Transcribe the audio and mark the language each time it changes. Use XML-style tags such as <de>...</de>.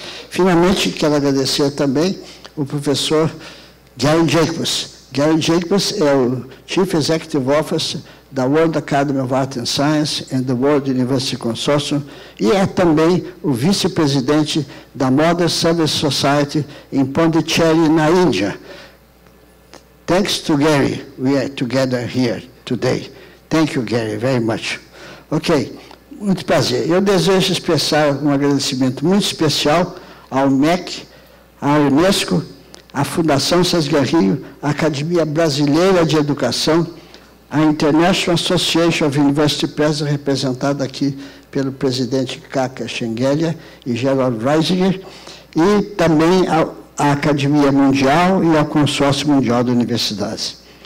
<pt>Finalmente, quero agradecer também o professor Gary Jacobs. Gary Jacobs é o Chief Executive Officer da World Academy of Art and Science and the World University Consortium, e é também o vice-presidente da Modern Service Society em Pondicherry, na Índia.</pt> <en>Thanks to Gary, we are together here today. Thank you, Gary, very much.</en> <pt>Ok, muito prazer. Eu desejo expressar um agradecimento muito especial ao MEC, à Unesco, à Fundação César Rio, à Academia Brasileira de Educação, a International Association of University Press, representada aqui pelo presidente Kaka Schengelia e Gerald Reisinger, e também à Academia Mundial e ao Consórcio Mundial de Universidades.</pt>